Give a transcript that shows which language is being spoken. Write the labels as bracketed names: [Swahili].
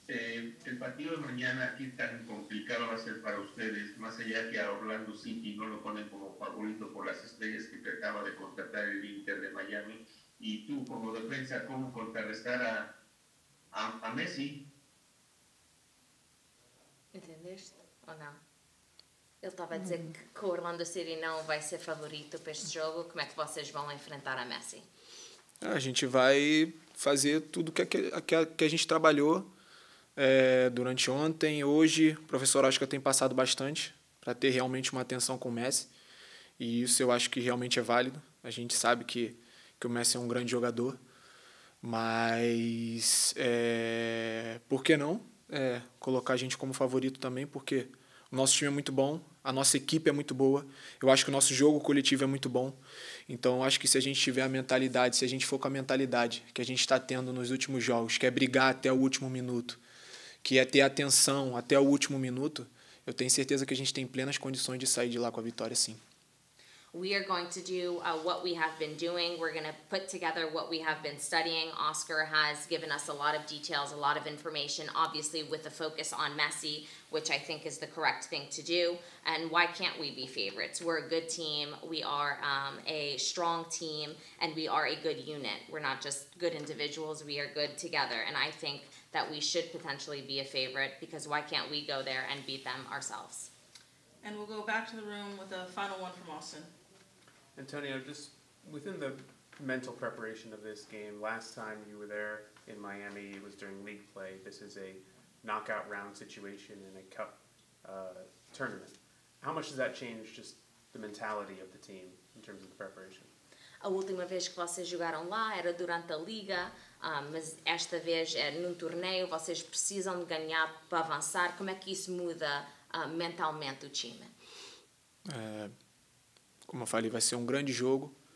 [Spanish] El partido de mañana, ¿qué tan complicado va a ser para ustedes? Más allá que a Orlando City no lo ponen como favorito por las estrellas que acaba de contratar el Inter de Miami. Y tú, como defensa, ¿cómo contrarrestar a Messi? [Portuguese] Entendeste ou não? Ele estava a dizer que o Orlando City não vai ser favorito para este jogo. Como é que vocês vão enfrentar a Messi? A gente vai fazer tudo que a gente trabalhou durante ontem. Hoje, o professor acho que tem passado bastante para ter realmente uma atenção com o Messi. E isso eu acho que realmente é válido. A gente sabe que o Messi é um grande jogador. Mas, por que não colocar a gente como favorito também? Porque o nosso time é muito bom, a nossa equipe é muito boa, eu acho que o nosso jogo coletivo é muito bom. Então, acho que se a gente tiver a mentalidade, se a gente for com a mentalidade que a gente está tendo nos últimos jogos, que é brigar até o último minuto, que é ter atenção até o último minuto, eu tenho certeza que a gente tem plenas condições de sair de lá com a vitória, sim. [English] We are going to do what we have been doing. We're going to put together what we have been studying. Oscar has given us a lot of details, a lot of information, obviously with a focus on Messi, which I think is the correct thing to do. And why can't we be favorites? We're a good team. We are a strong team, and we are a good unit. We're not just good individuals. We are good together. And I think that we should potentially be a favorite, because why can't we go there and beat them ourselves? And we'll go back to the room with a final one from Austin. Antonio, just within the mental preparation of this game, last time you were there in Miami, it was during league play. This is a knockout round situation in a cup tournament. How much does that change just the mentality of the team in terms of the preparation? [Portuguese] A última vez que vocês jogaram lá era durante a liga, mas esta vez é num torneio, vocês precisam de ganhar para avançar. Como é que isso muda mentalmente o time? Como eu falei, vai ser um grande jogo.